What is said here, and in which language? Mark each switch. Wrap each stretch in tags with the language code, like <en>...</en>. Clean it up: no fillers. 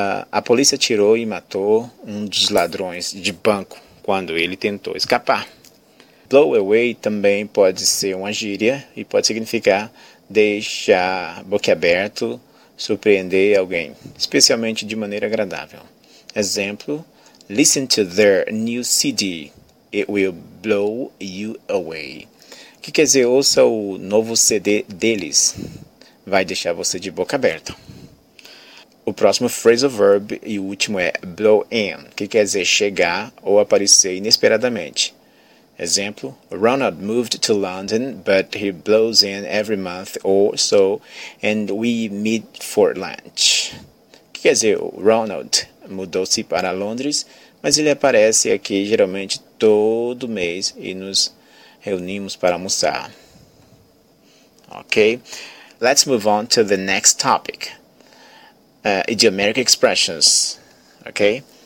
<pt>A polícia atirou e matou um dos ladrões de banco quando ele tentou escapar. Blow away também pode ser uma gíria e pode significar deixar boquiaberto, surpreender alguém, especialmente de maneira agradável.</pt> <en>Exemplo, listen to their new CD, it will blow you away.</en> <pt>O que quer dizer, ouça o novo CD deles, vai deixar você de boca aberta. O próximo phrasal verb e o último é blow in, que quer dizer chegar ou aparecer inesperadamente.</pt> <en>Exemplo, Ronald moved to London, but he blows in every month or so, and we meet for lunch.</en> <pt>O que quer dizer, Ronald mudou-se para Londres, mas ele aparece aqui geralmente todo mês e nos reunimos para almoçar.</pt> <en>Ok, let's move on to the next topic, idiomatic expressions, ok?</en>